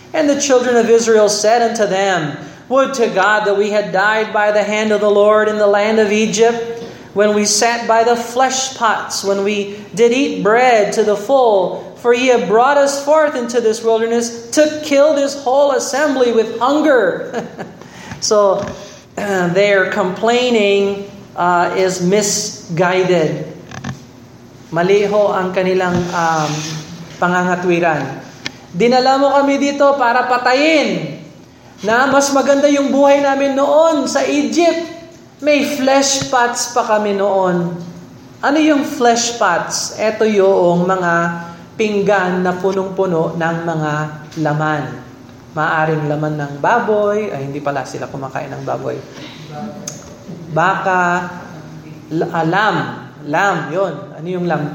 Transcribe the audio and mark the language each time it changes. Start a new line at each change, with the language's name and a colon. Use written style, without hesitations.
English: And the children of Israel said unto them, Would to God that we had died by the hand of the Lord in the land of Egypt, when we sat by the flesh pots, when we did eat bread to the full. For ye have brought us forth into this wilderness to kill this whole assembly with hunger. So their complaining is misguided.
Filipino: Mali ho ang kanilang pangangatwiran. Dinala mo kami dito para patayin na mas maganda yung buhay namin noon sa Egypt. May flesh pots pa kami noon. Ano yung flesh pots? Ito yung mga pinggan na punong-puno ng mga laman. Maaring laman ng baboy, ay hindi pala sila kumakain ng baboy. Baka, lamb, yun. Ano yung lamb?